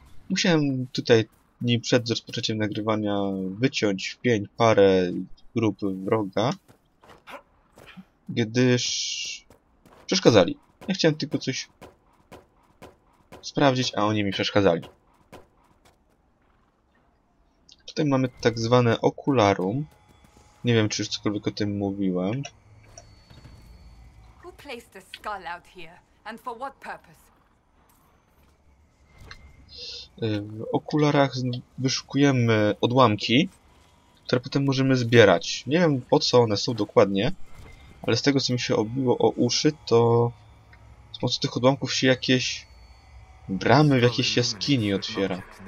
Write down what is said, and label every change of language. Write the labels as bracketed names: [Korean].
[Polish] Musiałem tutaj dni przed rozpoczęciem nagrywania wyciąć w pień parę grup wroga, gdyż przeszkadzali. Ja chciałem tylko coś sprawdzić, a oni mi przeszkadzali. Tutaj mamy tak zwane okularum. Nie wiem, czy już cokolwiek o tym mówiłem. Kto [English] placed a skull out here and for what purpose? [Polish] W okularach wyszukujemy odłamki, które potem możemy zbierać. Nie wiem, po co one są dokładnie, ale z tego, co mi się obiło o uszy, to z pomocą tych odłamków się jakieś bramy w jakiejś jaskini otwiera.